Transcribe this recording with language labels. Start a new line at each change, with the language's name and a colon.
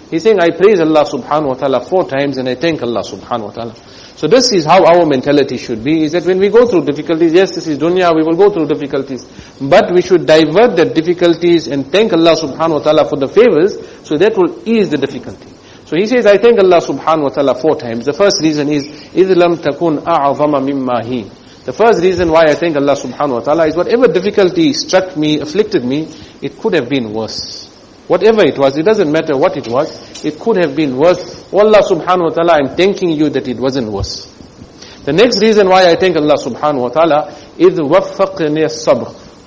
English: He's saying, I praise Allah subhanahu wa ta'ala 4 times and I thank Allah subhanahu wa ta'ala. So this is how our mentality should be, is that when we go through difficulties, yes, this is dunya, we will go through difficulties. But we should divert the difficulties and thank Allah subhanahu wa ta'ala for the favors, so that will ease the difficulty. So he says, I thank Allah subhanahu wa ta'ala 4 times. The first reason is,
Arabic: إِذْ لَمْ تَكُنْ أَعْظَمَ مِمَّا هِي.
English: The first reason why I thank Allah subhanahu wa ta'ala is whatever difficulty struck me, afflicted me, it could have been worse. Whatever it was, it doesn't matter what it was, it could have been worse. Oh Allah subhanahu wa ta'ala, I'm thanking you that it wasn't worse. The next reason why I thank Allah subhanahu wa ta'ala is
Arabic: وَفَّقْنِيَ الصَّبْرِ.